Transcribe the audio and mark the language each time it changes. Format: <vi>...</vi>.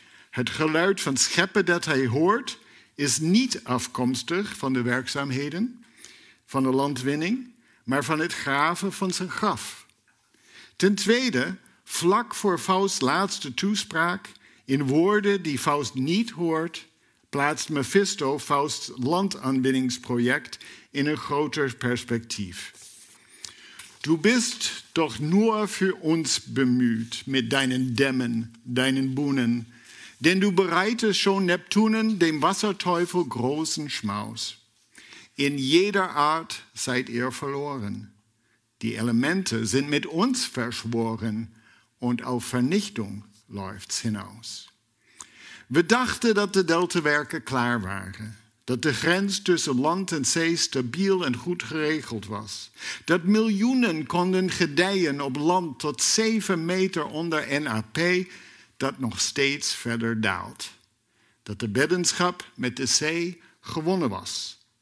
<nl>Het geluid van scheppen dat hij hoort is niet afkomstig van de werkzaamheden van de landwinning, maar van het graven van zijn graf. Ten tweede, vlak voor Faust's laatste toespraak, in woorden die Faust niet hoort, plaatst Mephisto Faust's landaanwinningsproject in een groter perspectief.</nl> <de>Du bist doch nur für uns bemüht, mit deinen Dämmen, deinen Boenen, Denn du bereitest schon Neptunen, dem Wasserteufel, großen Schmaus. In jeder Art seid ihr verloren. Die Elemente sind mit uns verschworen und auf Vernichtung läuft's hinaus.</de> <nl>We dachten dat de deltawerken klaar waren. Dat de grens tussen land en zee stabiel en goed geregeld was. Dat miljoenen konden gedijen op land tot 7 meter onder NAP, dat nog steeds verder daalt. Dat de beddenschap met de zee gewonnen was.</nl>